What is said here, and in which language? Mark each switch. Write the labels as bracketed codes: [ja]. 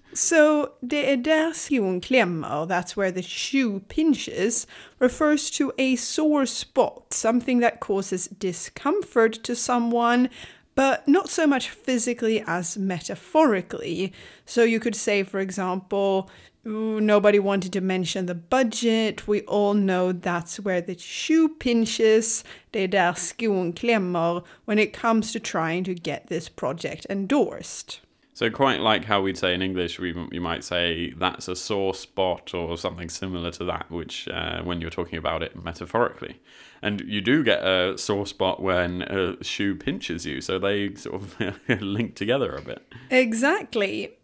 [en] So, [sv] det är där skon klämmer, [en] that's where the shoe pinches, refers to a sore spot, something that causes discomfort to someone, but not so much physically as metaphorically. So you could say, for example, nobody wanted to mention the budget. We all know that's where the shoe pinches. [sv] Det är där skon klämmer [en] when it comes to trying to get this project endorsed. So quite like how we'd say in English, you might say that's a sore spot or something similar to that, which when you're talking about it metaphorically. And you do get a sore spot when a shoe pinches you. So they sort of link together a bit. Exactly.